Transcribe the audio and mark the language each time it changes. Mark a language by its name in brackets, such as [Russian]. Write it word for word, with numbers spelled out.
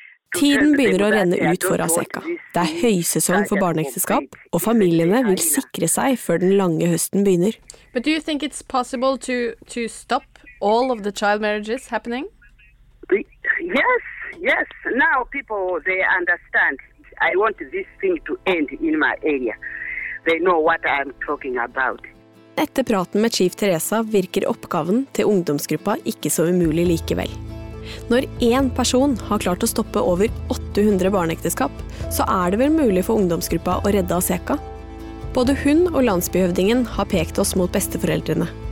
[Norwegian] Tiden begynner å renne ut for Aseka. Det er høysesong for barneekteskap, og familiene vil sikre seg før den lange høsten begynner. [English] But do you think it's possible to, to stop all of the child marriages happening? Yes, yes. Now people, they understand. I want this thing to end in my area. they know what I'm talking about. [Norwegian] Etter praten med Chief Teresa virker oppgaven til ungdomsgruppa ikke så umulig likevel. Når en person har klart å stoppe over åtte hundre barneekteskap, så er det vel mulig for ungdomsgruppa å redde Aseka. Både hun og landsbyhøvdingen har pekt oss mot besteforeldrene.